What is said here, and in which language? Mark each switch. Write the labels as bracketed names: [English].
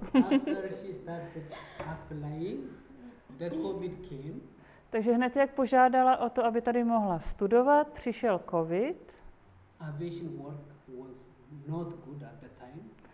[English] After she started applying, the COVID came. [Czech] Takže hned jak požádala o to, aby tady mohla studovat, přišel COVID. [English] Aviation work was not good at the time.